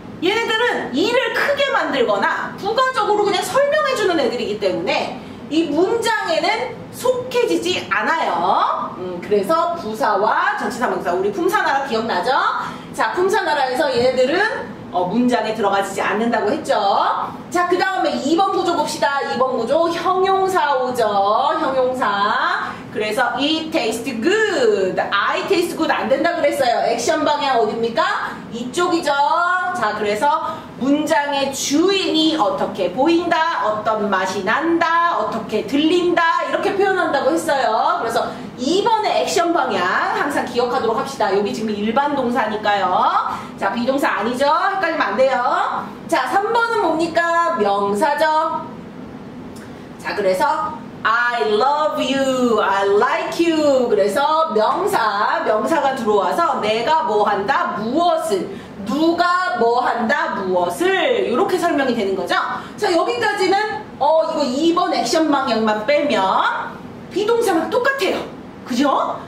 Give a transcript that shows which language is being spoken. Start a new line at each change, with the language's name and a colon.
Korean: 얘네들은 일을 크게 만들거나 부가적으로 그냥 설명해주는 애들이기 때문에 이 문장에는 속해지지 않아요. 그래서 부사와 전치사 명사, 우리 품사나라 기억나죠? 자, 품사나라에서 얘네들은 문장에 들어가지지 않는다고 했죠. 자, 그 다음에 2번 구조 봅시다. 2번 구조 형용사 오죠. 형용사. 그래서
English: it tastes good. I taste good
Korean: 안 된다 그랬어요. 액션 방향 어디입니까? 이쪽이죠. 자, 그래서 문장의 주인이 어떻게 보인다, 어떤 맛이 난다, 어떻게 들린다 이렇게 표현한다고 했어요. 그래서 2번의 액션 방향 항상 기억하도록 합시다. 여기 지금 일반 동사니까요. 자, 비동사 아니죠? 헷갈리면 안 돼요. 자, 3번은 뭡니까? 명사죠. 자, 그래서
English: I love you, I like you.
Korean: 그래서 명사, 명사가 들어와서 내가 뭐 한다, 무엇을, 누가 뭐 한다, 무엇을 이렇게 설명이 되는 거죠. 자, 여기까지는 이거 2번 액션 방향만 빼면 비동사랑 똑같아요. 그죠?